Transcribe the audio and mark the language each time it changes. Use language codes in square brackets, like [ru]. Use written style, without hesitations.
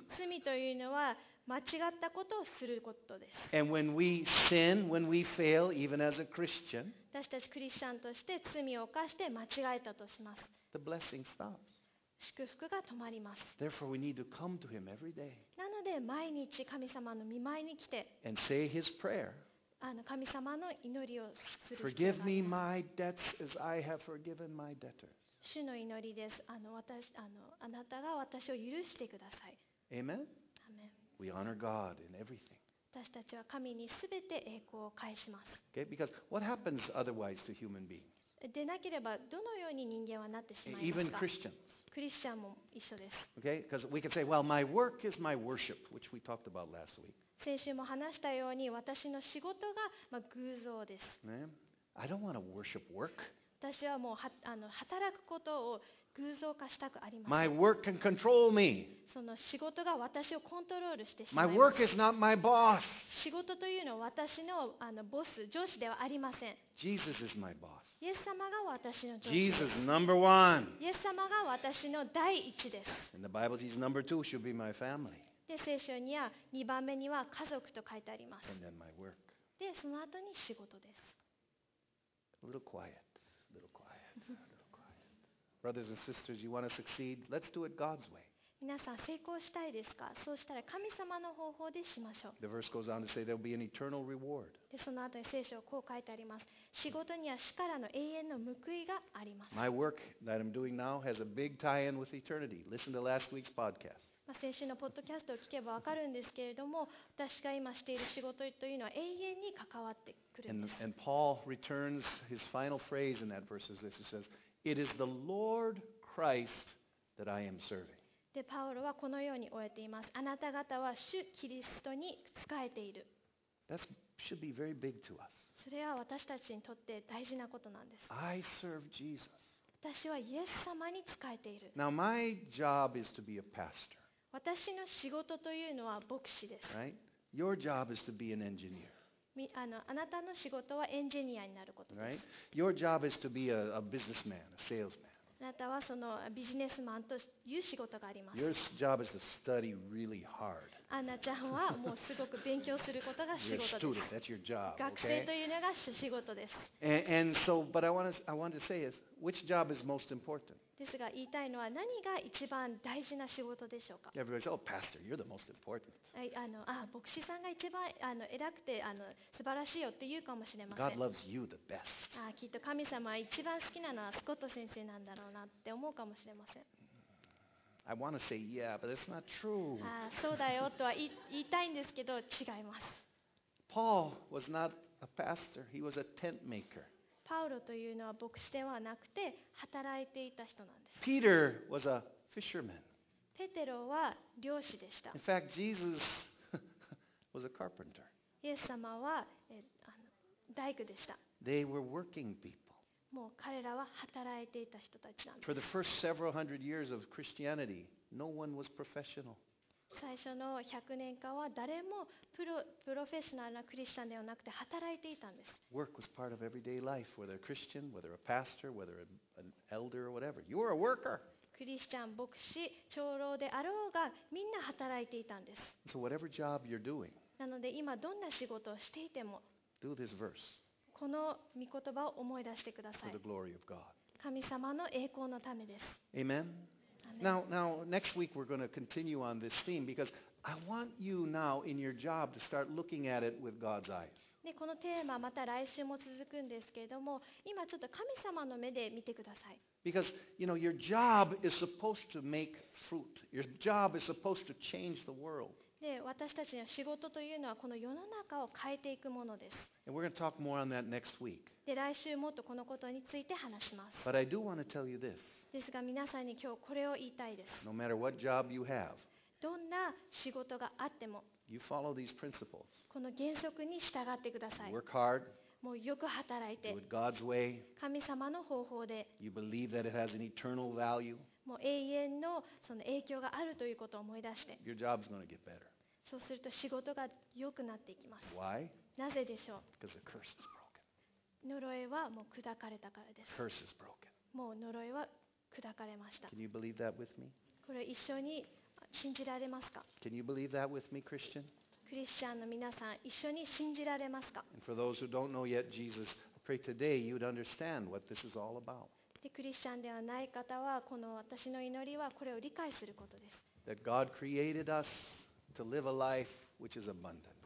[ja] 罪というのは間違ったことをすることです。 [en] And when we sin, when we fail, even as a Christian, [ja] 私たちクリスチャンとして罪を犯して間違えたとします。 [en] The blessing stops. [ja] 祝福が止まります。 [en] Therefore, we need to come to Him every day. [ja] なので毎日神様の御前に来て、 [en] and say His prayer. [ja] 神様の祈りをする。 [en] Forgive me my debts as I have forgiven my debtors. [ja] 主の祈りです。私あなたが私を許してください。 [en] Amen? Amen. We honor God in everything. [ja] 私たちは神にすべて栄光を返します。 [en] Okay, because what happens otherwise to human beings? [ja] でなければどのように人間はなってしまいますか? [en] Even Christians. [ja] クリスチャンも一緒です。 [en] Okay, because we can say, well, my work is my worship, which we talked about last week. [ja] 先週も話したように私の仕事が、偶像です。 [en] ね、I don't want to worship work. [ja] 私はもうは働くことを偶像化したくありません。 [en] My work can control me. [ja] その仕事が私をコントロールしてしまいます。 [en] My work is not my boss. [ja] 仕事というのは私の、ボス、上司ではありません。 [en] Jesus is my boss. [ja] イエス様が私の上司です。 [en] Jesus number one. [ja] イエス様が私の第一です。 [en] In the Bible, he's number two. Should be my family. [ja] で聖書には2番目には家族と書いてあります。 [en] And then my work. [ja] でその後に仕事です。 [en] Little quiet, little quiet, little quiet. Brothers and sisters, you want to succeed? Let's do it God's way. [ja] 皆さん成功したいですか？そうしたら神様の方法でしましょう。 [en] The verse goes on to say there'll be an eternal reward. [ja] でその後に聖書はこう書いてあります。仕事には主からの永遠の報いがあります。 [en] My work that I'm doing now has a big tie-in with eternity. Listen to last week's podcast. [ja] 先週のポッドキャストを聞けば分かるんですけれども、私が今している仕事というのは永遠に関わってくるんです。 [en] And Paul returns his final phrase in that verse is this. He says, It is the Lord Christ that I am serving. [ja] で、パウロはこのように終えています。あなた方は主キリストに仕えている。 [en] That should be very big to us. [ja] それは私たちにとって大事なことなんです。 [en] I serve Jesus. [ja] 私はイエス様に仕えている。 [en] Now my job is to be a pastor. [ja] 私の仕事というのは牧師です。 [en] Right? Your job is to be an engineer. [ja] あなたの仕事はエンジニアになることです。 [en] Right? Your job is to be a businessman, a salesman. [ja] あなたはそのビジネスマンという仕事があります。 [en] Your job is to study really hard. [ja] アンナちゃんはもうすごく勉強することが仕事です。 [en] That's your job, okay? [ja] 学生というのが仕事です。 [en] And so, but I want to say is, which job is most important? [ja] ですが言いたいのは何が一番大事な仕事でしょうか。 [en] Everybody says, "Oh, Pastor, you're the most important." [ja] ああ牧師さんが一番偉くて素晴らしいよって言うかもしれません。 [en] God loves you the best. [ja] ああきっと神様は一番好きなのはスコット先生なんだろうなって思うかもしれません。 [en] I want to say yeah, but that's not true. [ja] ああそうだよとは言いたいんですけど違います。 [en] Paul was not a pastor. He was a tent maker. [ja] パウロというのは牧師ではなくて働いていた人なんです。 [en] Peter was a fisherman. [ja] ペテロは漁師でした。 [en] In fact, Jesus was a carpenter. [ja] イエス様は大工でした。 [en] They were working people. [ja] もう彼らは働いていた人たちなんです。 [en] For the first several hundred years of Christianity, no one was professional. [ja] 最初の100年間は誰もプロフェッショナルなクリスチャンではなくて働いていたんです。 [en] Work was part of everyday life, whether a Christian, whether a pastor, whether an elder or whatever. You were a worker. [ja] クリスチャン、牧師、長老であろうがみんな働いていたんです。 [en] So whatever job you're doing, [ja] なので今どんな仕事をしていても、 [en] do this verse. [ja] この御言葉を思い出してください。 [en] For the glory of God. [ja] 神様の栄光のためです。 [en] Amen. Now, next week we're going to continue on this theme because I want you now in your job to start looking at it with God's eyes. [ja] で、このテーマまた来週も続くんですけれども、今ちょっと神様の目で見てください。 [en] Because, you know, your job is supposed to make fruit. Your job is supposed to change the world. [ja] で、私たちの仕事というのはこの世の中を変えていくものです。 [en] And we're going to talk more on that next week. [ja] で、来週もっとこのことについて話します。 [en] But I do want to tell you this. [ja] ですが皆さんに今日これを言いたいです。 [en] No matter what job you have, [ja] どんな仕事があっても、 [en] you follow these principles. [ja] この原則に従ってください。 [en] Work hard, [ja] もうよく働いて、 [en] do it God's way, [ja] 神様の方法で、 [en] you believe that it has an eternal value, [ja] もう永遠のその影響があるということを思い出して、 [en] your job's gonna get better. [ja] そうすると仕事が良くなっていきます。 [en] Why? [ja] なぜでしょう? [en] Because the curse is broken. [ja] 呪いはもう砕かれたからです。 [en] Curse is broken. [ja] もう呪いは砕かれました。 [en] Can you believe that with me? [ja] これ一緒に信じられますか? [en] Can you believe that with me, Christian? [ja] クリスチャンの皆さん、一緒に信じられますか? [en] And for those who don't know yet Jesus, I pray today you'd understand what this is all about. [ja] で、クリスチャンではない方は、この私の祈りはこれを理解することです。 [en] That God created us to live a life which is abundant.